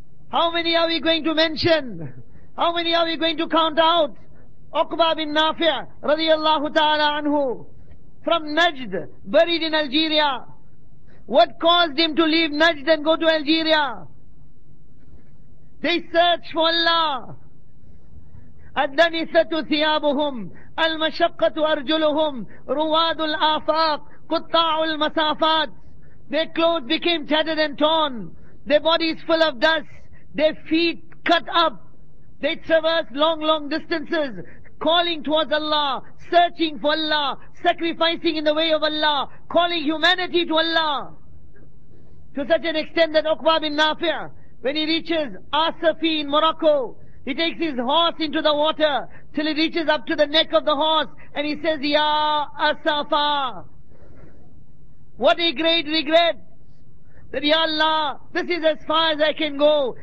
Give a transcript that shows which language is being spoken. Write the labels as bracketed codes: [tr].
[en] How many are we going to mention? How many are we going to count out? Uqba bin Nafi' radiyallahu ta'ala anhu, from Najd, buried in Algeria. What caused him to leave Najd and go to Algeria? They searched for Allah. [ar] الدنيثة ثيابهم المشقة أرجلهم رواد الآفاق قطاع المسافات. [en] Their clothes became tattered and torn, their bodies full of dust, their feet cut up. They traversed long distances, calling towards Allah, searching for Allah, sacrificing in the way of Allah, calling humanity to Allah, to such an extent that Uqba bin Nafi', when he reaches Asafi in Morocco, he takes his horse into the water till he reaches up to the neck of the horse and he says, Ya Asafa, what a great regret that, Ya Allah, this is as far as I can go.